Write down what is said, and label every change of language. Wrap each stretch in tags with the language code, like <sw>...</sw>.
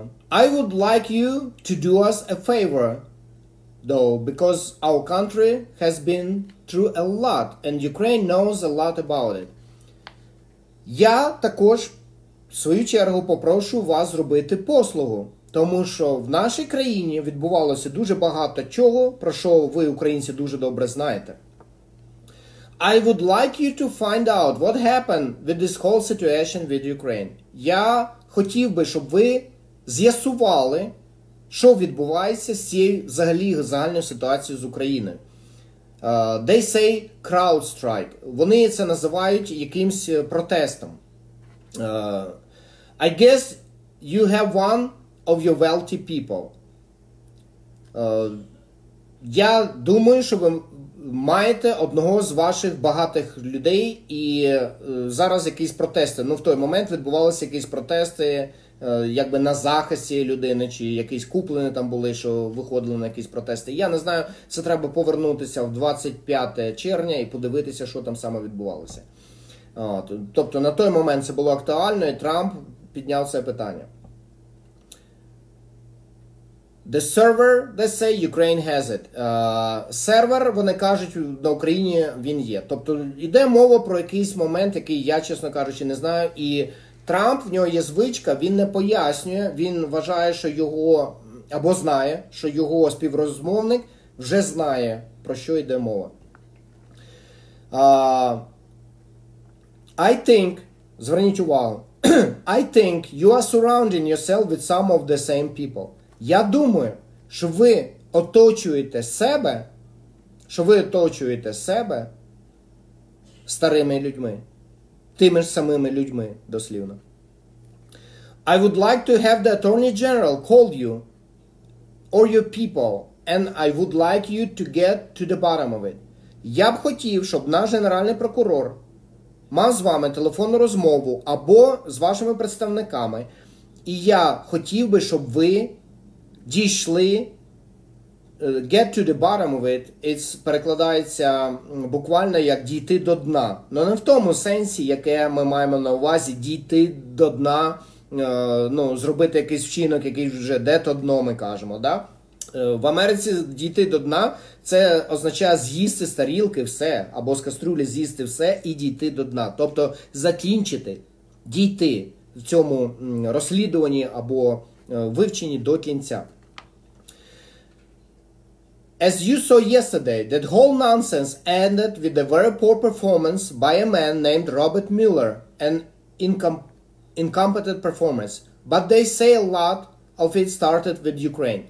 <en>I would like you to do us a favor, though, because our country has been through a lot, and Ukraine knows a lot about it.</en> <uk>Я також, в свою чергу, попрошу вас зробити послугу, тому що в нашій країні відбувалося дуже багато чого, про що ви, українці, дуже добре знаєте.</uk> <en>I would like you to find out what happened with this whole situation with Ukraine.</en> <uk>Я хотів би, щоб ви з'ясували, що відбувається з цією взагалі загальною ситуацією з Україною.</uk> <en>They say CrowdStrike.</en> <uk>Вони це називають якимсь протестом.</uk> <en>I guess you have one of your wealthy people.</en> <uk>Я думаю, що ви маєте одного з ваших багатих людей, і зараз якісь протести. Ну, в той момент відбувалися якісь протести, якби на захист цієї людини, чи якісь куплені там були, що виходили на якісь протести. Я не знаю, це треба повернутися в 25 червня і подивитися, що там саме відбувалося. Тобто на той момент це було актуально, і Трамп підняв це питання.</uk> <en>The server, they say, Ukraine has it.</en> <uk>Сервер, вони кажуть, на Україні він є. Тобто йде мова про якийсь момент, який я, чесно кажучи, не знаю. І Трамп, в нього є звичка, він не пояснює, він вважає, що його, або знає, що його співрозмовник вже знає, про що йде мова.</uk> <en>I think,</en> <uk>зверніть увагу,</uk> <en>I think you are surrounding yourself with some of the same people.</en> <uk>Я думаю, що ви оточуєте себе, що ви оточуєте себе старими людьми, тими ж самими людьми, дослівно.</uk> <en>I would like to have the Attorney General call you or your people, and I would like you to get to the bottom of it.</en> <uk>Я б хотів, щоб наш генеральний прокурор мав з вами телефонну розмову або з вашими представниками, і я хотів би, щоб ви дійшли,</uk> <en>get to the bottom of it, it's</en> <uk>перекладається буквально як дійти до дна. Но не в тому сенсі, яке ми маємо на увазі, дійти до дна, ну, зробити якийсь вчинок, який вже де то дно, ми кажемо, да? В Америці дійти до дна, це означає з'їсти з тарілки все, або з каструлі з'їсти все і дійти до дна. Тобто закінчити, дійти в цьому розслідуванні або вивченні до кінця.</uk> <en>As you saw yesterday, that whole nonsense ended with a very poor performance by a man named Robert Mueller, an incompetent performance. But they say a lot of it started with Ukraine.</en>